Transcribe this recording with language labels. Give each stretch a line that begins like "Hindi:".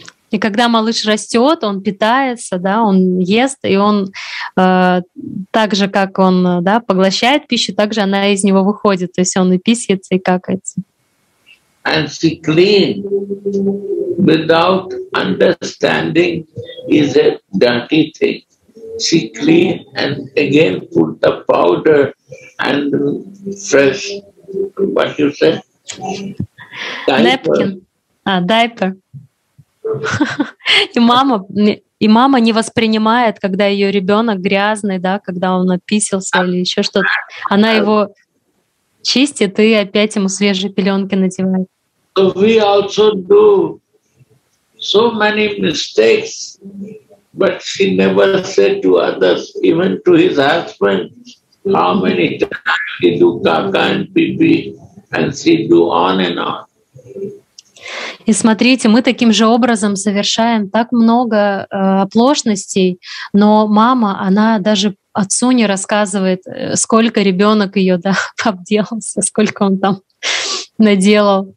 Russian: И когда малыш растет, он питается, да, он ест, и он так же, как он, да, поглощает пищу, так же она из него выходит. То есть он и писается, и какается.
English: And she clean without understanding is a dirty thing. She clean and again put the powder and fresh. What you said? Napkin. А, diaper.
Russian: И мама не воспринимает, когда ее ребенок грязный, да, когда он описился или еще что-то. Она его чистит и опять ему свежие пеленки надевает.
English: So we also do so many mistakes, but she never said to others, even to his husband, how many times he do kaka and pee-pee. And she do on and on.
Russian: И смотрите, мы таким же образом совершаем так много оплошностей, но мама, она даже отцу не рассказывает, сколько ребенок ее, да, обделался, сколько он там наделал.